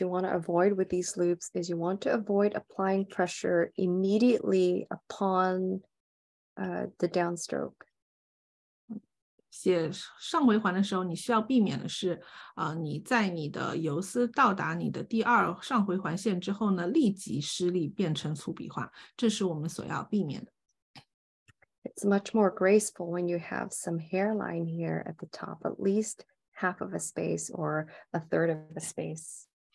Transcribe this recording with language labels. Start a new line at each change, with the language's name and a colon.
English: you want to avoid with these loops is you want to avoid applying pressure immediately upon the downstroke.
Chinese: 写上回环的时候，你需要避免的是，你在你的游丝到达你的第二上回环线之后呢，立即施力变成粗笔画，这是我们所要避免的。
English: It's much more graceful when you have some hairline here at the top, at least half of a space or a third of a space.